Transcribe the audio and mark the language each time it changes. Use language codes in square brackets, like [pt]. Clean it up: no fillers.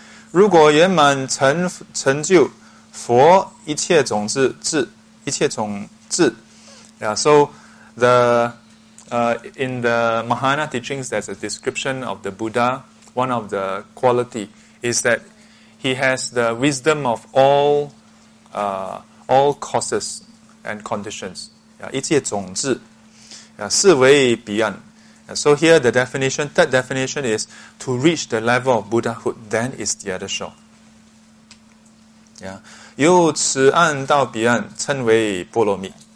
[zh] 如果圆满成就佛一切种子智，一切种智。 [en] Yeah, so the in the Mahayana teachings, there's a description of the Buddha. One of the quality is that he has the wisdom of all causes and conditions. [zh] 一切种智，是为彼岸。 [en] So here the definition, third definition is to reach the level of Buddhahood, then is the other shore. Yeah. [zh] 由此岸到彼岸称为波罗蜜。